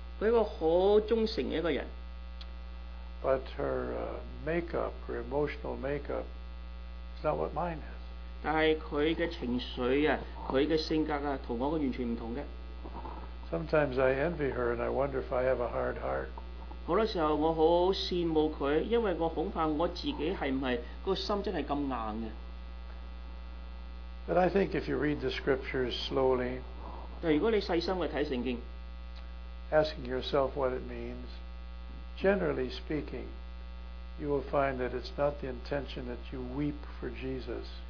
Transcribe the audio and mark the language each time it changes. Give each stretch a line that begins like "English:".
Cantonese: 佢一個好忠誠嘅一個人。
English: But her makeup, her emotional makeup, is not what mine is.
Cantonese: 但係佢嘅情緒啊，佢嘅性格啊，同我嘅完全唔同嘅。
English: Sometimes I envy her and I wonder if I have a hard heart.
Cantonese: 好多時候我好羨慕佢，因為我恐怕我自己係唔係個心真係咁硬嘅。
English: But I think if you read the scriptures slowly,
Cantonese: 但如果你細心去睇聖經
English: asking yourself what it means, generally speaking, you will find that it's not the intention that you weep for Jesus.